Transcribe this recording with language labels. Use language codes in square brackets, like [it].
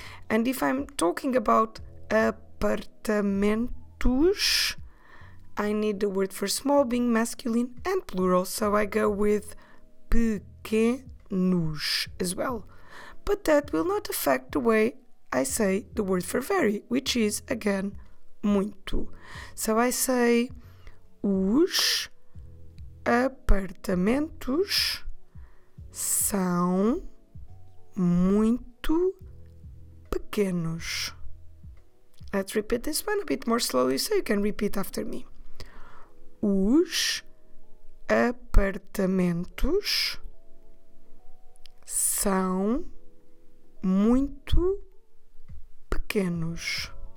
[en] And if I'm talking about apartamentos, I need the word for small being masculine and plural, so I go with pequenos as well. But that will not affect the way I say the word for very, which is, again, muito. So I say [pt] os apartamentos são muito pequenos. [en] Let's repeat this one a bit more slowly so you can repeat after me. [pt] Os apartamentos são muito pequenos.